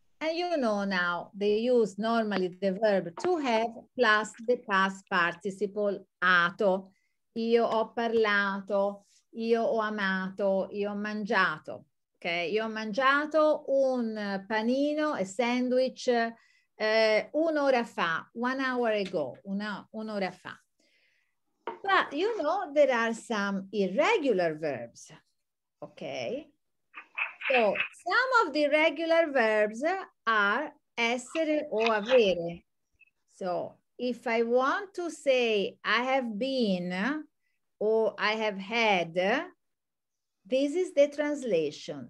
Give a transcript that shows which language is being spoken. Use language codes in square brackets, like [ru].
[en] And you know now, they use normally the verb to have plus the past participle, ato. [it] Io ho parlato, io ho amato, io ho mangiato. Okay, io ho mangiato un panino, [en] a sandwich, [it] un'ora fa, [en] 1 hour ago, [it] un'ora fa. [en] But you know there are some irregular verbs, okay? So some of the regular verbs are essere o avere. So if I want to say I have been or I have had, this is the translation.